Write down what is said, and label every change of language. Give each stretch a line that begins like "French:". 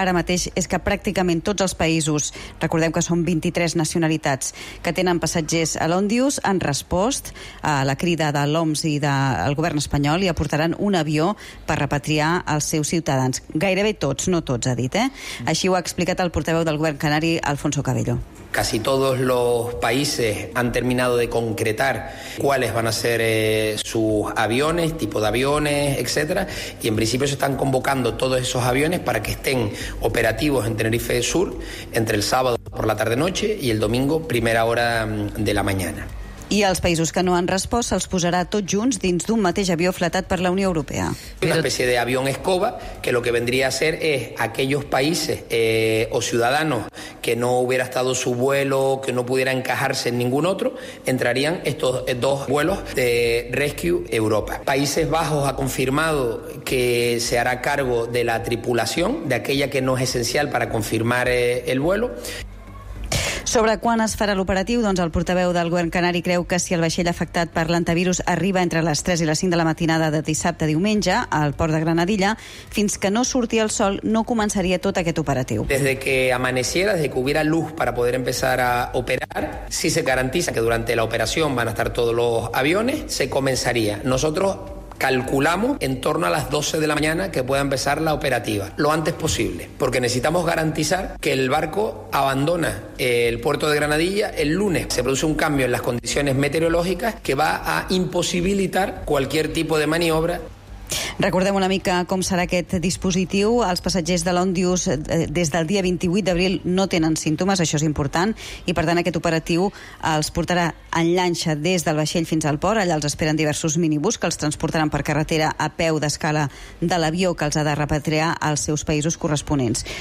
Catalan: Ara mateix és que pràcticament tots els països, recordem que són 23 nacionalitats que tenen passatgers a l'Ondius, han respost a la crida de l'OMS i del govern espanyol i aportaran un avió per repatriar els seus ciutadans. Gairebé tots, no tots, ha dit, eh? Així ho ha explicat el portaveu del govern canari, Alfonso Cabello.
Spanish: Casi todos los países han terminado de concretar cuáles van a ser sus aviones, tipo de aviones, etcétera, y en principio se están convocando todos esos aviones para que estén operativos en Tenerife Sur entre el sábado por la tarde-noche y el domingo primera hora de la mañana.
Catalan: I als països que no han respost se'ls posarà tots junts dins d'un mateix avió fletat per la Unió Europea.
Spanish: Una especie de avión escoba que lo que vendría a ser es aquellos países o ciudadanos que no hubiera estado su vuelo, que no pudiera encajarse en ningún otro, entrarían estos dos vuelos de Rescue Europa. Países Bajos ha confirmado que se hará cargo de la tripulación, de aquella que no es esencial para confirmar el vuelo.
Catalan: Sobre quan es farà l'operatiu, doncs el portaveu del govern canari creu que si el vaixell afectat per l'antivirus arriba entre les 3 i les 5 de la matinada de dissabte a diumenge al port de Granadilla, fins que no surti el sol no començaria tot aquest operatiu.
Spanish: Des que amaneciera, des que hubiera luz para poder empezar a operar, si se garantiza que durante la operación van a estar todos los aviones, se comenzaría. Nosotros calculamos en torno a las 12 de la mañana que pueda empezar la operativa, lo antes posible, porque necesitamos garantizar que el barco abandona el puerto de Granadilla el lunes. Se produce un cambio en las condiciones meteorológicas que va a imposibilitar cualquier tipo de maniobra.
Catalan: Recordem una mica com serà aquest dispositiu. Els passatgers de l'Ondius des del dia 28 d'abril no tenen símptomes, això és important, i per tant aquest operatiu els portarà en llanxa des del vaixell fins al port. Allà els esperen diversos minibús que els transportaran per carretera a peu d'escala de l'avió que els ha de repatriar als seus països corresponents.